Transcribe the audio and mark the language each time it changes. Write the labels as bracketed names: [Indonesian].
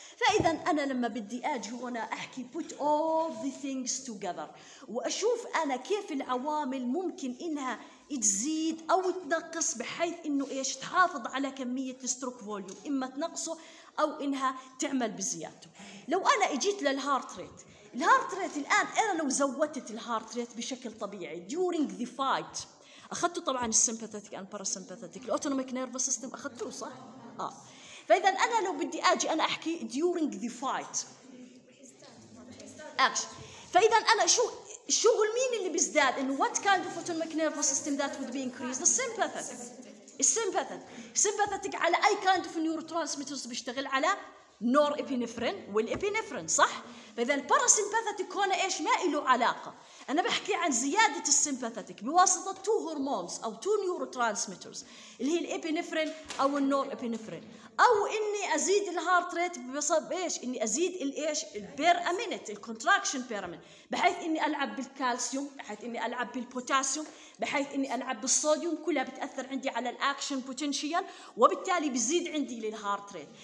[Arabic] فإذا أنا لما بدي أجي هنا أحكي [English] put all the things together [Arabic] وأشوف أنا كيف العوامل ممكن إنها تزيد أو تنقص بحيث إنه إيش تحافظ على كمية الستروك فوليوم، إما تنقصه أو إنها تعمل بزيادته. لو أنا إجيت للهارت ريت، الهارت ريت الآن أنا لو زودت الهارت ريت بشكل طبيعي [English] during the fight [Arabic] أخذته طبعاً السمباتيك [English] and parasympathetic [Arabic] الأوتونوميك نيرف سيستم أخذته صح؟ آه. فإذا أنا لو بدي أجي أنا أحكي [English] during the fight action، [Arabic] فإذا أنا شغل مين اللي بيزداد؟ إنه [English] what kind of autonomic nervous system that would be increased؟ The sympathetic. [Arabic] Sympathetic على أي [English] kind of neurotransmitters [Arabic] بيشتغل على norepinephrine والepinephrine صح؟ فإذا parasympathetic هنا إيش ما إله علاقة؟ أنا بحكي عن زيادة sympathetic بواسطة [English] two hormones [Arabic] أو [English] two neurotransmitters [Arabic] اللي هي الepinephrine أو norepinephrine، أو إني أزيد الهارت ريت بسبب إيش؟ إني أزيد الإيش؟ البير أمينت الكونتراكشن بير أمينت بحيث إني ألعب بالكالسيوم، بحيث إني ألعب بالبوتاسيوم، بحيث إني ألعب بالصوديوم، كلها بتأثر عندي على الأكشن بوتنشيال وبالتالي بزيد عندي للهارت ريت.